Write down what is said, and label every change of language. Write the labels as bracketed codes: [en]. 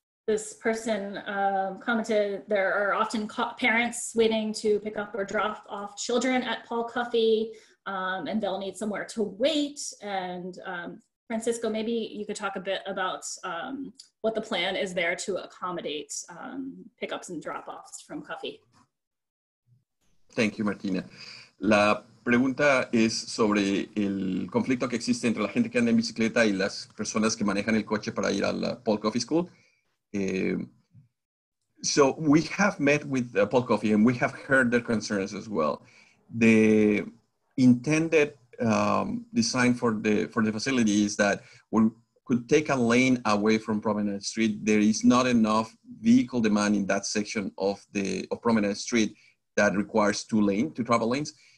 [en] This person commented, there are often parents waiting to pick up or drop off children at Paul Cuffey, and they'll need somewhere to wait. And Francisco, maybe you could talk a bit about what the plan is there to accommodate pickups and drop offs from Cuffey. Thank you, Martina. [es] La pregunta es sobre el conflicto que existe entre la gente que anda en bicicleta y las personas que manejan el coche para ir a la Paul Cuffey School. [en] So we have met with Paul Cuffey and we have heard their concerns as well. The intended design for the facility is that we could take a lane away from Promenade Street. There is not enough vehicle demand in that section of Promenade Street that requires two travel lanes.